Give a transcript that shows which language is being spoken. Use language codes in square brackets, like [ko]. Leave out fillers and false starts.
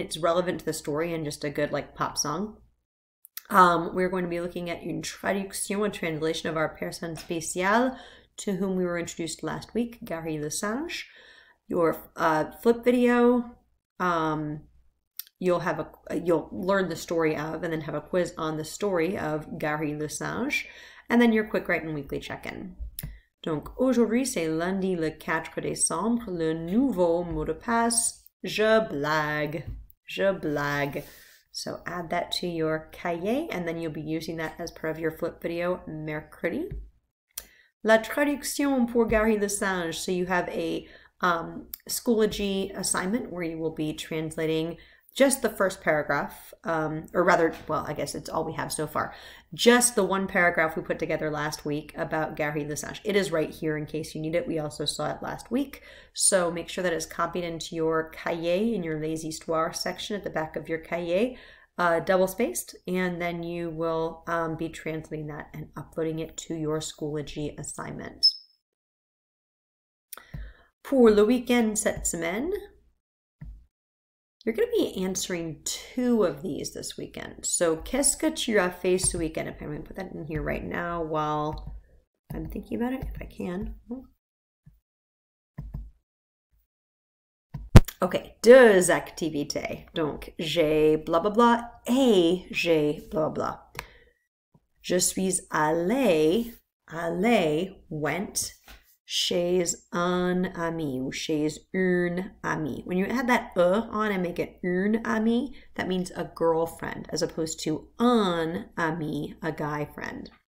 [en] It's relevant to the story and just a good like pop song. We're going to be looking at [fr] une traduction, [en] a translation of our personne spéciale, to whom we were introduced last week, Gary Lesage. Your flip video, you'll learn the story of, and then have a quiz on the story of Gary Lesage, and then your quick write and weekly check-in. [fr] Donc aujourd'hui c'est lundi le 4 décembre, le nouveau mot de passe, je blague. [en] So add that to your cahier, and then you'll be using that as part of your flip video mercredi. [fr] La traduction pour Gary Lesage. [en] So you have a Schoology assignment where you will be translating just the first paragraph, or rather, well, I guess it's all we have so far, just the one paragraph we put together last week about Gary Lesage. It is right here in case you need it. We also saw it last week. So make sure that it's copied into your cahier in your Les Histoires section at the back of your cahier, double-spaced, and then you will be translating that and uploading it to your Schoology assignment. [fr] Pour le week-end cette semaine, [en] you're going to be answering two of these this weekend. [fr] So, qu'est-ce que tu as fait ce week-end? [en] I'm going to put that in here right now while I'm thinking about it, if I can. [fr] Okay, deux activités. Donc, j'ai blah, blah, blah, et j'ai blah, blah. Je suis allé, went, chez un ami, ou chez une amie. [en] When you add that on and make it [fr] une amie, [en] that means a girlfriend, as opposed to [fr] un ami, [en] a guy friend.